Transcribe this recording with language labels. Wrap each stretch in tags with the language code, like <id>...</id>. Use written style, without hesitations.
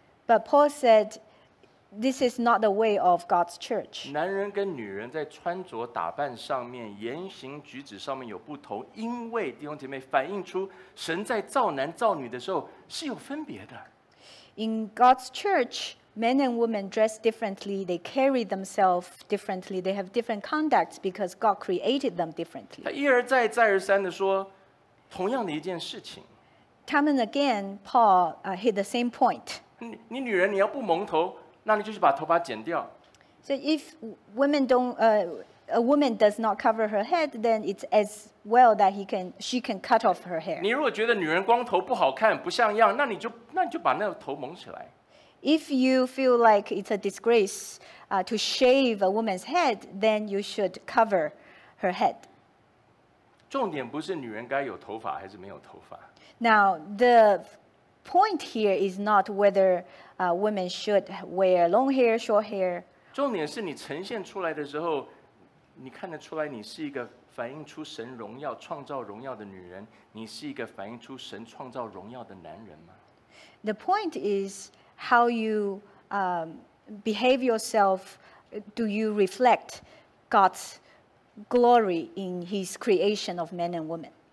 <en>But Paul said, this is not the way of God's church.</en> <zh>男人跟女人在穿着打扮上面、言行举止上面有不同，因为弟兄姐妹反映出神在造男造女的时候是有分别的。</zh> <en>In God's church, men and women dress differently, they carry themselves differently, they have different conducts because God created them differently.</en> <zh>他一而再，再而三地说， 同样的一件事情。</zh> <en>Time and again, Paul hit the same point.</en> <zh>你女人你要不蒙头, 那你就是把头发剪掉。</zh> <en>So if women don't, a woman does not cover her head, then it's as well that she can cut off her hair.</en> <zh>你如果觉得女人光头不好看,不像样, 那你就把那头蒙起来。</zh> <en>If you feel like it's a disgrace to shave a woman's head, then you should cover her head.</en> <zh>重点不是女人该有头发还是没有头发。</zh> <en>Now, the point here is not whether women should wear long hair, short hair.</en> <zh>重点是你呈现出来的时候, 你看得出来你是一个反映出神荣耀,创造荣耀的女人, 你是一个反映出神创造荣耀的男人吗?</zh> <en>The point is, how you behave yourself, do you reflect God's glory in His creation of men and women?</en>